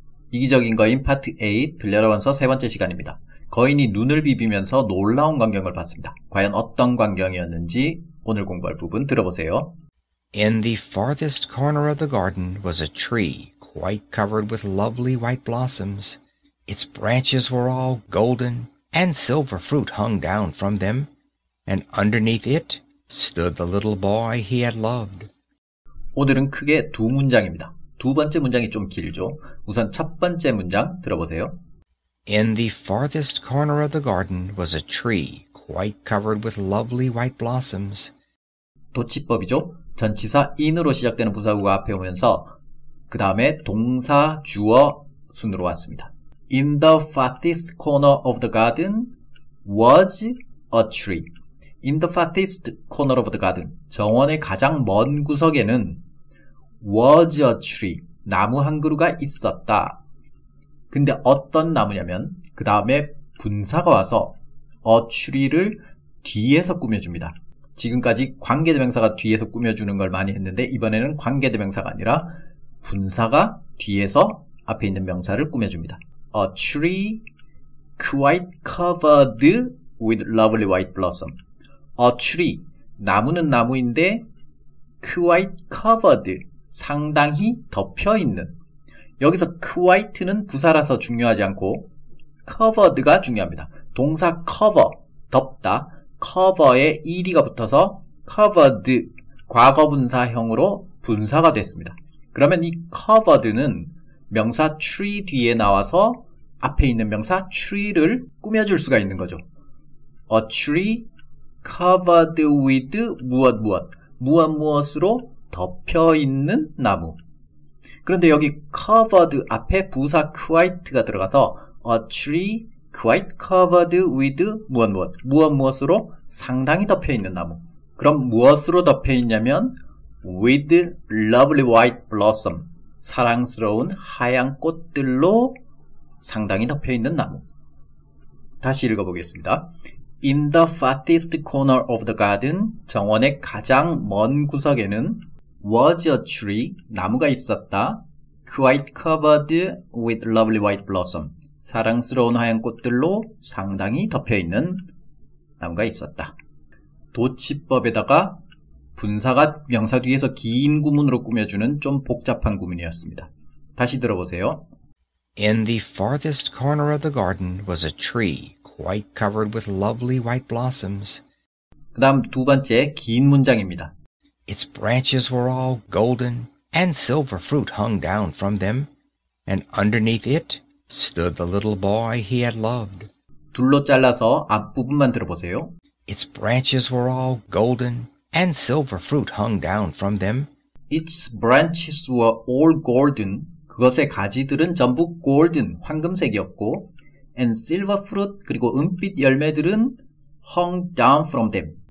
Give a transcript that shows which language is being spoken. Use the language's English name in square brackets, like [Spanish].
[Korean] 이기적인 거인 파트 8 들려라원서 세 번째 시간입니다. 거인이 눈을 비비면서 놀라운 광경을 봤습니다. 과연 어떤 광경이었는지 오늘 공부할 부분 들어보세요. [English] In the farthest corner of the garden was a tree quite covered with lovely white blossoms. Its branches were all golden and silver fruit hung down from them. And underneath it stood the little boy he had loved. [Korean] 오늘은 크게 두 문장입니다. 두 번째 문장이 좀 길죠. 우선 첫 번째 문장 들어보세요. [English] In the farthest corner of the garden was a tree quite covered with lovely white blossoms. [Korean] 도치법이죠. 전치사 in으로 시작되는 부사구가 앞에 오면서 그 다음에 동사 주어 순으로 왔습니다. [English] In the farthest corner of the garden was a tree. In the farthest corner of the garden, [Korean] 정원의 가장 먼 구석에는 [English] was a tree, [Korean] 나무 한 그루가 있었다. 근데 어떤 나무냐면 그 다음에 분사가 와서 a tree를 뒤에서 꾸며줍니다. 지금까지 관계대명사가 뒤에서 꾸며주는 걸 많이 했는데 이번에는 관계대명사가 아니라 분사가 뒤에서 앞에 있는 명사를 꾸며줍니다. [English] A tree quite covered with lovely white blossom. A tree, [Korean] 나무는 나무인데 [English] quite covered, [Korean] 상당히 덮여있는. 여기서 quite는 부사라서 중요하지 않고 covered가 중요합니다. 동사 cover, 덮다, cover에 ed가 붙어서 covered, 과거분사형으로 분사가 됐습니다. 그러면 이 covered는 명사 tree 뒤에 나와서 앞에 있는 명사 tree를 꾸며줄 수가 있는 거죠. [English] A tree covered with [Korean] 무엇 무엇, 무엇 무엇으로 덮여있는 나무. 그런데 여기 covered 앞에 부사 quite가 들어가서 [English] a tree quite covered with [Korean] 무엇 무엇, 무엇 무엇으로 상당히 덮여있는 나무. 그럼 무엇으로 덮여있냐면 [English] with lovely white blossom, [Korean] 사랑스러운 하얀 꽃들로 상당히 덮여있는 나무. 다시 읽어보겠습니다. [English] In the farthest corner of the garden, [Korean] 정원의 가장 먼 구석에는 [English] was a tree, [Korean] 나무가 있었다. [English] Quite covered with lovely white blossom, [Korean] 사랑스러운 하얀 꽃들로 상당히 덮여있는 나무가 있었다. 도치법에다가 분사가 명사 뒤에서 긴 구문으로 꾸며주는 좀 복잡한 구문이었습니다. 다시 들어보세요. [English] In the farthest corner of the garden was a tree quite covered with lovely white blossoms. [Korean] 그 다음 두 번째 긴 문장입니다. [English] Its branches were all golden and silver fruit hung down from them. And underneath it stood the little boy he had loved. [Korean] 둘로 잘라서 앞부분만 들어보세요. [English] Its branches were all golden and silver fruit hung down from them. Its branches were all golden. [Korean] 그것의 가지들은 전부 golden, 황금색이었고 [English] and silver fruit, [Korean] 그리고 은빛 열매들은 [English] hung down from them.